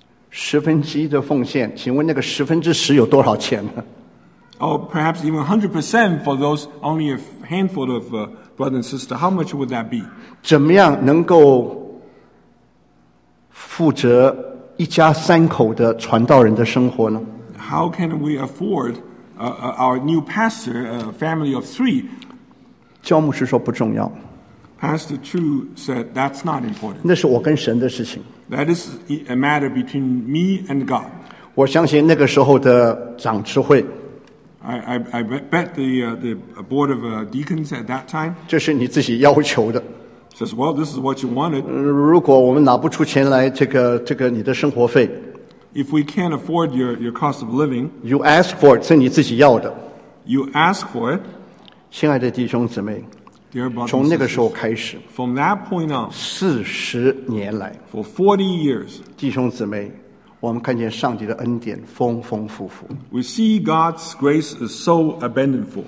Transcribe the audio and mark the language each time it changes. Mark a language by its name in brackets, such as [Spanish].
[Chinese] 十分之一的奉献，请问那个十分之十有多少钱呢？ [English] Oh, perhaps even 100% for those only a handful of brothers and sisters. How much would that be? [Chinese] 怎么样能够？负责一家三口的传道人的生活呢？ [English] How can we afford our new pastor, a family of three? [Chinese] 教牧师说不重要。 [English] Pastor Chu said that's not important. [Chinese] 那是我跟神的事情。 [English] That is a matter between me and God. [Chinese] 我相信那个时候的长执会。 [English] I bet the board of deacons at that time. [Chinese] 这是你自己要求的。 [English] Says, well, this is what you wanted. [Chinese] 如果我们拿不出钱来，这个你的生活费。 [English] If we can't afford your cost of living, you ask for it, [Chinese] 是你自己要的。 [English] You ask for it. [Chinese] 亲爱的弟兄姊妹，从那个时候开始 [English] ，from that point on, [Chinese] 四十年来 [English] ，for 40 years, [Chinese] 弟兄姊妹，我们看见上帝的恩典丰丰富富。 [English] We see God's grace is so abundant.